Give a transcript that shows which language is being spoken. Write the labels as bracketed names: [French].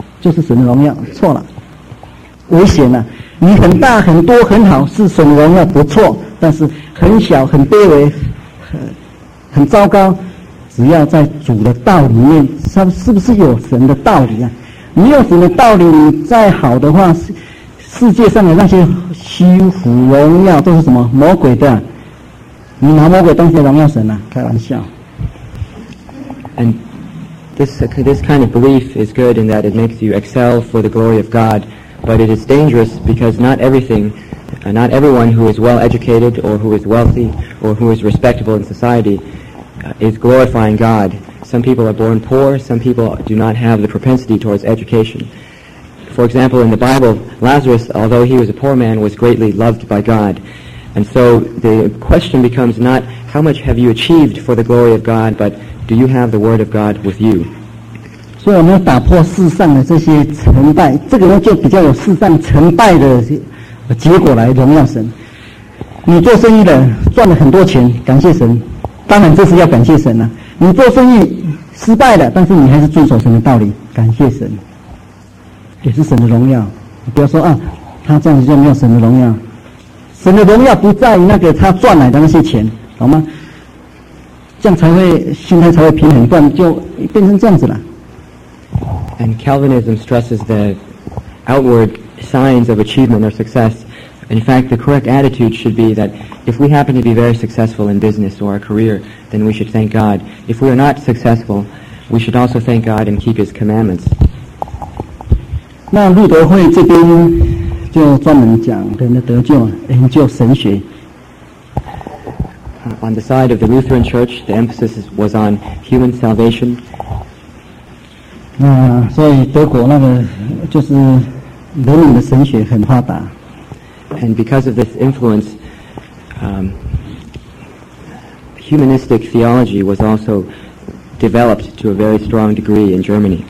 [Chinese] 就是神的荣耀，错了，危险了。你很大很多很好是神的荣耀不错，但是很小很卑微很糟糕，只要在主的道里面，是不是有神的道理啊？你有神的道理，你再好的话，世界上的那些虚浮荣耀都是什么魔鬼的，你拿魔鬼当成荣耀神啊，开玩笑。 [English] And This kind of belief is good in that it makes you excel for the glory of God, but it is dangerous because not everyone who is well educated or who is wealthy or who is respectable in society is glorifying God. Some people are born poor, some people do not have the propensity towards education. For example, in the Bible, Lazarus, although he was a poor man, was greatly loved by God. And so the question becomes not how much have you achieved for the glory of God, butDo you have the word of God with you? [Chinese] 所以我们要打破世上的这些成败，这个人就比较有世上成败的结果来荣耀神。你做生意的赚了很多钱，感谢神，当然这是要感谢神了。你做生意失败了，但是你还是遵守神的道理，感谢神，也是神的荣耀。不要说啊，他这样子就没有神的荣耀。神的荣耀不在于那个他赚来的那些钱，好吗？这样才会心态才会平衡，不然就变成这样子了。 [English] And Calvinism stresses the outward signs of achievement or success. In fact, the correct attitude should be that if we happen to be very successful in business or our career, then we should thank God. If we are not successful, we should also thank God and keep His commandments. [Chinese] 那路德会这边就专门讲人的得救，研究神学。 [English] on the side of the Lutheran Church, the emphasis was on human salvation. [Chinese] 所以德国那个就是人文的神学很发达。 [English] And because of this influence, humanistic theology was also developed to a very strong degree in Germany.